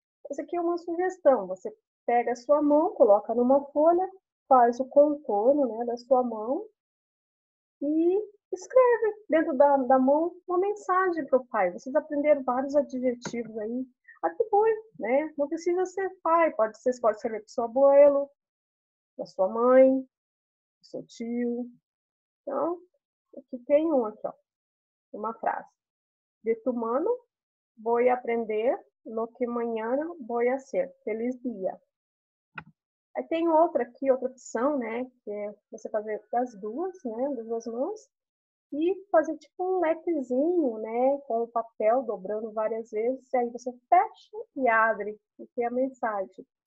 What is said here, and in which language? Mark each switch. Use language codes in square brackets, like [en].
[pt] Essa aqui é uma sugestão, você pega a sua mão, coloca numa folha, faz o contorno, né, da sua mão e escreve dentro da mão uma mensagem para o pai. Vocês aprenderam vários adjetivos aí. Aqui foi, né? Não precisa ser pai. Pode escrever para o seu abuelo, para sua mãe, para seu tio. Então, aqui tem um aqui, ó. Uma frase. [es] De tu mano, voy aprender lo que mañana voy a ser. [pt] Feliz dia. Aí tem outra aqui, outra opção, né? Que é você fazer das duas, né? Das duas mãos. E fazer tipo um lequezinho, né, com o papel, dobrando várias vezes, e aí você fecha e abre, e tem a mensagem.